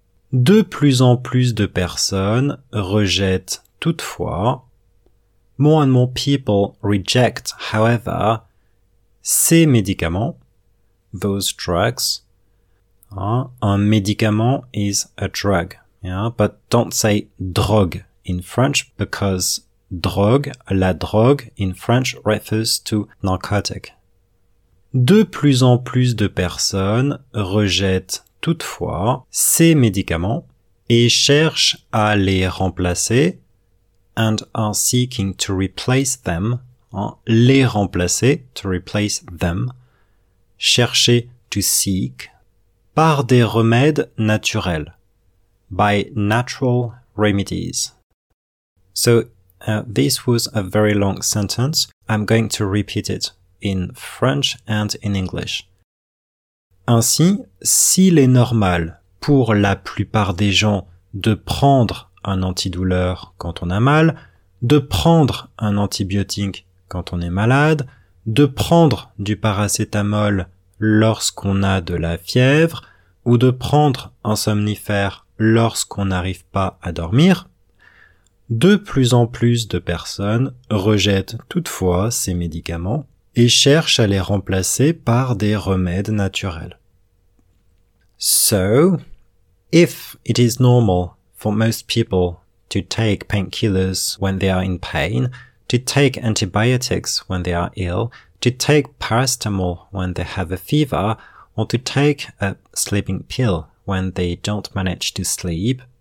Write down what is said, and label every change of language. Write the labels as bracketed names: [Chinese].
[French] De plus en plus de personnes rejettent toutefois. [English] More and more people reject, however, [French] ces médicaments, [English] those drugs. [French] Hein, un médicament [English] is a drug. Yeah? But don't say drogue in French because drogue, la drogue in French refers to narcotic. [French] De plus en plus de personnes rejettent toutefois ces médicaments et cherchent à les remplacer [English] and are seeking to replace them, [French] hein, les remplacer, [English] to replace them, [French] chercher, [English] to seek, [French] par des remèdes naturels, [English] by natural remedies. So, this was a very long sentence. I'm going to repeat it in French and in English. [French] Ainsi, s'il est normal pour la plupart des gens de prendre un antidouleur quand on a mal, de prendre un antibiotique quand on est malade, de prendre du paracétamol lorsqu'on a de la fièvre, ou de prendre un somnifère lorsqu'on n'arrive pas à dormir, de plus en plus de personnes rejettent toutefois ces médicaments et cherchent à les remplacer par des remèdes naturels. [English] So, if it is normal for most people to take painkillers when they are in pain, to take antibiotics when they are ill, to take paracetamol when they have a fever, or to take a sleeping pill when they don't manage to sleep.